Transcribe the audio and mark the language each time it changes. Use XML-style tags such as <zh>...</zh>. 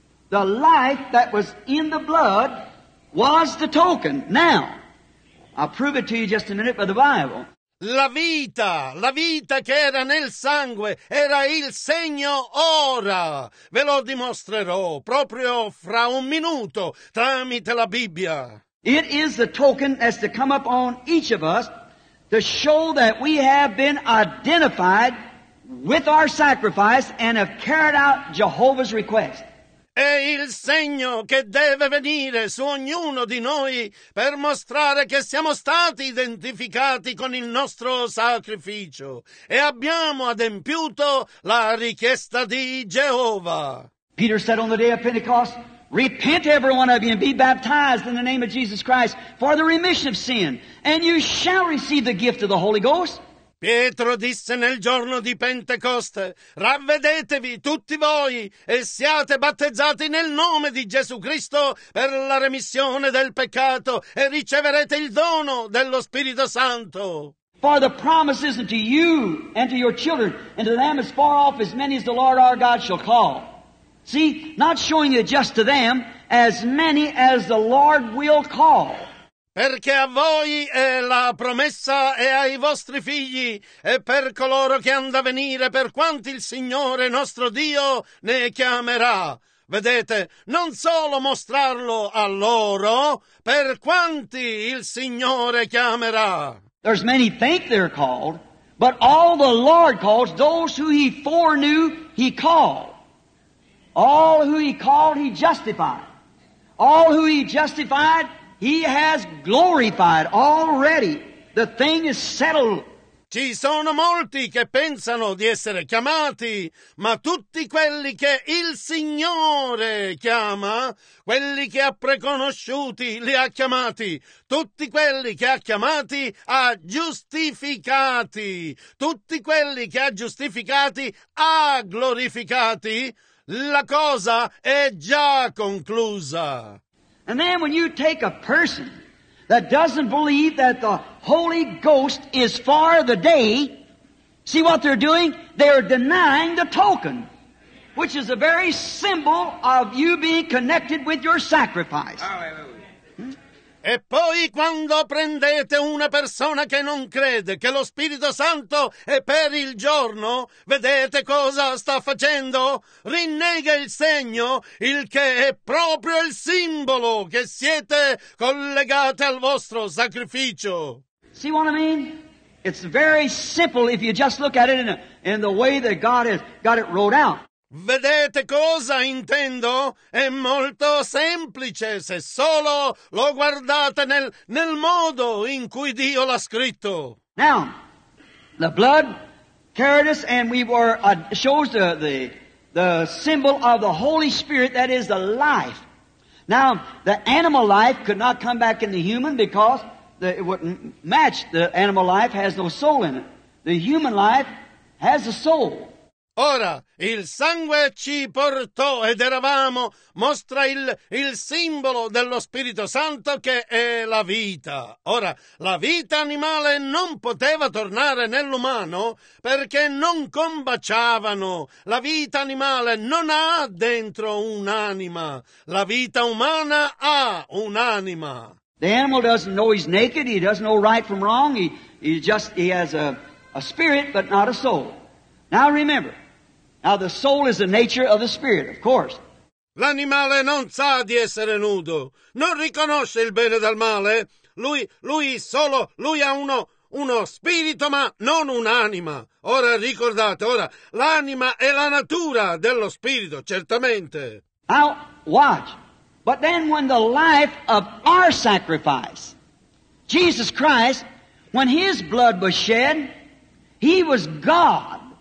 <en>The life that was in the blood was the token. Now, I'll prove it to you just a minute by the Bible.</en> <it>La vita che era nel sangue, era il segno ora. Ve lo dimostrerò proprio fra un minuto tramite la Bibbia.</it> <en>It is the token that's to come upon each of us to show that we have been identified with our sacrifice and have carried out Jehovah's request.</en> <it>È il segno che deve venire su ognuno di noi per mostrare che siamo stati identificati con il nostro sacrificio e abbiamo adempiuto la richiesta di Geova.</it> <en>Peter said on the day of Pentecost, repent every one of you and be baptized in the name of Jesus Christ for the remission of sin, and you shall receive the gift of the Holy Ghost.</en> <it>Pietro disse nel giorno di Pentecoste, ravvedetevi tutti voi e siate battezzati nel nome di Gesù Cristo per la remissione del peccato e riceverete il dono dello Spirito Santo.</it> <en>For the promise is unto you and to your children and to them as far off as many as the Lord our God shall call. See, not showing you just to them, as many as the Lord will call.</en> <it>Perché a voi è la promessa e ai vostri figli e per coloro che hanno da venire, per quanti il Signore nostro Dio ne chiamerà. Vedete, non solo mostrarlo a loro, per quanti il Signore chiamerà.</it> <en>There's many think they're called, but all the Lord calls, those who he foreknew, he called. All who he called, he justified. All who he justified, he has glorified already. The thing is settled.</en> <it>Ci sono molti che pensano di essere chiamati, ma tutti quelli che il Signore chiama, quelli che ha preconosciuti, li ha chiamati. Tutti quelli che ha chiamati, ha giustificati. Tutti quelli che ha giustificati, ha glorificati. La cosa è già conclusa.</it> <en>And then when you take a person that doesn't believe that the Holy Ghost is for the day, see what they're doing? They're denying the token, which is a very symbol of you being connected with your sacrifice.</en> <it>E poi quando prendete una persona che non crede che lo Spirito Santo è per il giorno, vedete cosa sta facendo? Rinnega il segno, il che è proprio il simbolo che siete collegati al vostro sacrificio.</it> <en>See what I mean? It's very simple if you just look at it in the way that God has got it wrote out.</en> <it>Vedete cosa intendo? È molto semplice se solo lo guardate nel modo in cui Dio l'ha scritto.</it> <en>Now, the blood carried us and we were shows the symbol of the Holy Spirit, that is the life. Now, the animal life could not come back in the human because it wouldn't match. The animal life has no soul in it. The human life has a soul.</en> <it>Ora, il sangue ci portò ed eravamo, mostra il simbolo dello Spirito Santo che è la vita. Ora, la vita animale non poteva tornare nell'umano perché non combaciavano. La vita animale non ha dentro un'anima. La vita umana ha un'anima.</it> <en>The animal doesn't know he's naked, he doesn't know right from wrong, he has a spirit but not a soul. Now remember, now the soul is the nature of the spirit, of course.</en> <it>L'animale non sa di essere nudo, non riconosce il bene dal male. Lui ha uno spirito, ma non un'anima. Ora ricordate, ora, l'anima è la natura dello spirito, certamente.</it> <en>Now watch. But then when the life of our sacrifice, Jesus Christ, when his blood was shed, he was God.</en>